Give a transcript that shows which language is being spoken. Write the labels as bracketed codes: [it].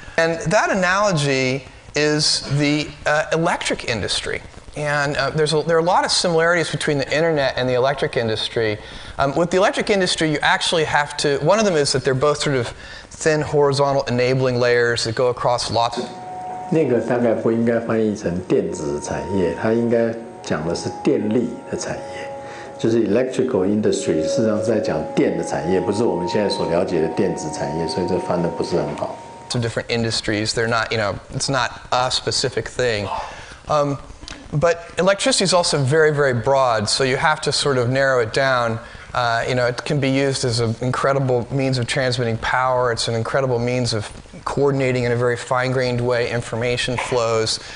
[en] And that analogy is the electric industry. And there are a lot of similarities between the internet and the electric industry. With the electric industry, you actually have to, one of them is that they're both sort of thin horizontal enabling layers that go across lots. [zh] 那个大概不应该翻译成电子产业，它应该讲的是电力的产业。就是 electrical industry 事实上是在讲电的产业，不是我们现在所了解的电子产业，所以这翻的不是很好。 [en] Some different industries, they're not, you know, it's not a specific thing. But electricity is also very, very broad, so you have to sort of narrow it down. You know, it can be used as an incredible means of transmitting power. It's an incredible means of coordinating in a very fine-grained way information flows.